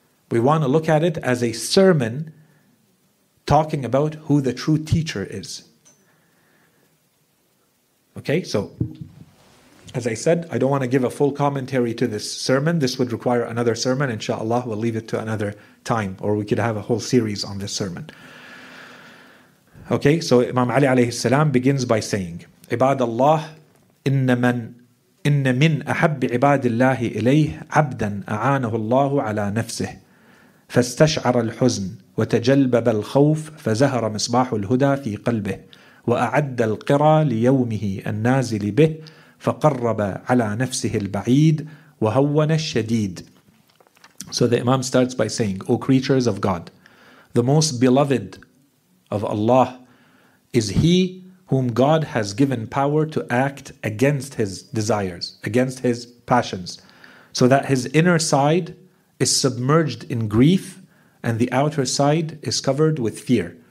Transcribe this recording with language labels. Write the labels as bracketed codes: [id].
[en] We want to look at it as a sermon talking about who the true teacher is. Okay, so as I said, I don't want to give a full commentary to this sermon. This would require another sermon. Inshallah, we'll leave it to another time, or we could have a whole series on this sermon. Okay, so Imam Ali alayhi salam begins by saying, [ar] Ibadallah, inna man إن من أحب عباد الله إليه عبدا أعانه الله على نفسه فاستشعر الحزن وتجلبب الخوف فزهر مصباح الهدى في قلبه وأعد القرى ليومه النازل به فقرب على نفسه البعيد وهون الشديد. [en] So the Imam starts by saying, O creatures of God, the most beloved of Allah is he whom God has given power to act against his desires, against his passions, so that his inner side is submerged in grief and the outer side is covered with fear.